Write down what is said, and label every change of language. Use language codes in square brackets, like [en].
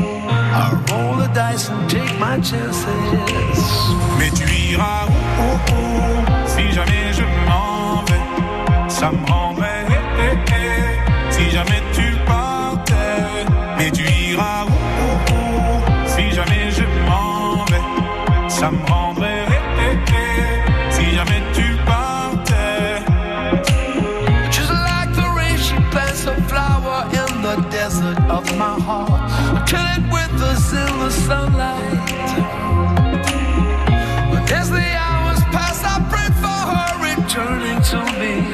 [en] I roll the dice and take my chances. [fr] Mais tu iras où, où, où, si jamais je m'en vais, ça me rendrait hé, hé, hé. Si jamais tu partais, mais tu iras où, où, où, si jamais je m'en vais, ça me rendrait hé, hé, hé. Si jamais tu partais. [en] Just like the rain, she plants a flower in the desert of my heart. I kill it with the silver sunlight. But as the hours pass, I pray for her returning to me.